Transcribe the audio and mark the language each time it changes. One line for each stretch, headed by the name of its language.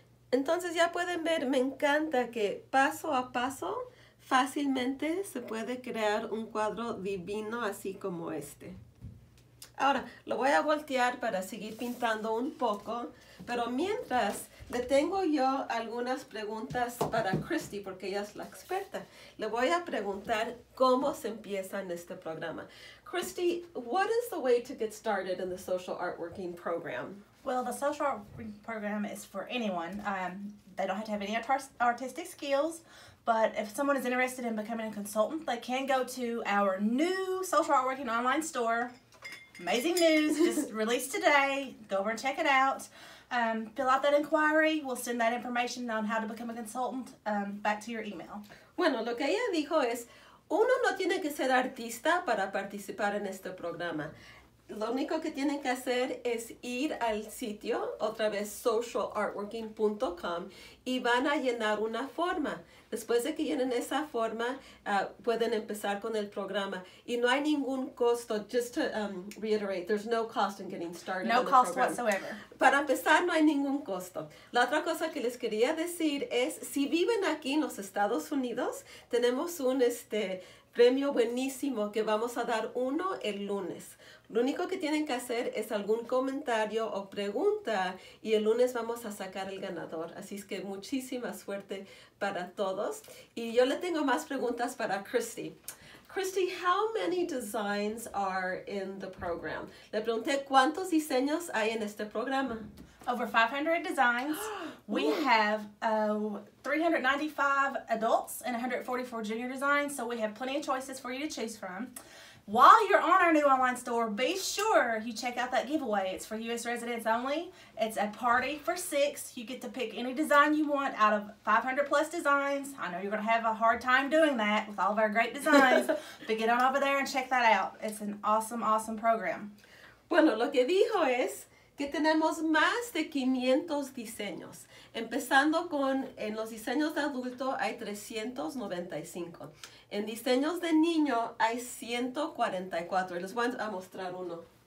Spanish: Entonces ya pueden ver, me encanta que paso a paso fácilmente se puede crear un cuadro divino así como este. Ahora, lo voy a voltear para seguir pintando un poco, pero mientras le tengo yo algunas preguntas para Christy, porque ella es la experta. Le voy a preguntar cómo se empieza en este programa.
English: Christy, what is the way to get started in the Social Artworking Program? Well, the Social Artworking Program is for anyone. They don't have to have any artistic skills. But if someone is interested in becoming a consultant, they can go to our new Social Artworking online store. Amazing news, just released today. Go over and check it out. Fill out that inquiry. We'll send that information on how to become a consultant back to your email.
Spanish: Bueno, lo que ella dijo es, uno no tiene que ser artista para participar en este programa. Lo único que tienen que hacer es ir al sitio, otra vez socialartworking.com, y van a llenar una forma. Después de que llenen esa forma, pueden empezar con el programa. Y no hay ningún costo,
English: just to reiterate, there's no cost in getting started. No cost whatsoever.
Spanish: Para empezar, no hay ningún costo. La otra cosa que les quería decir es, si viven aquí en los Estados Unidos, tenemos un premio buenísimo que vamos a dar uno el lunes. Lo único que tienen que hacer es algún comentario o pregunta y el lunes vamos a sacar el ganador. Así es que muchísima suerte para todos. Y yo le tengo más preguntas para Christy.
English: Christy, how many designs are in the program?
Spanish: Le pregunté cuántos diseños hay en este programa.
English: Over 500 designs. We have 395 adults and 144 junior designs. So we have plenty of choices for you to choose from. While you're on our new online store, be sure you check out that giveaway. It's for U.S. residents only. It's a party for six. You get to pick any design you want out of 500 plus designs. I know you're going to have a hard time doing that with all of our great designs, but get on over there and check that out. It's an awesome, awesome program.
Spanish: Bueno, lo que dijo es que tenemos más de 500 diseños. Empezando con, en los diseños de adulto hay 395. En diseños de niño hay 144. Les voy a mostrar uno.